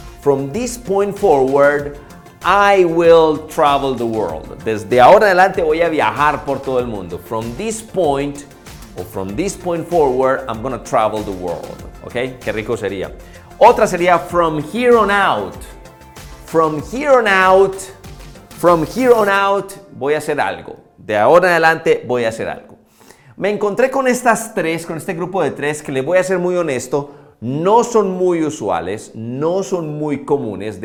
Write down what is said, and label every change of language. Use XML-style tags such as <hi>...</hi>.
<en>From this point forward, I will travel the world.</en> <es>Desde ahora en adelante voy a viajar por todo el mundo.</es> <en>From this point, or from this point forward, I'm gonna travel the world.</en> <es>¿Ok? Qué rico sería. Otra sería</es> <en>from here on out. From here on out,</en> <es>voy a hacer algo. De ahora en adelante voy a hacer algo. Me encontré con estas tres, con este grupo de tres, que les voy a ser muy honesto, no son muy usuales, no son muy comunes.</es>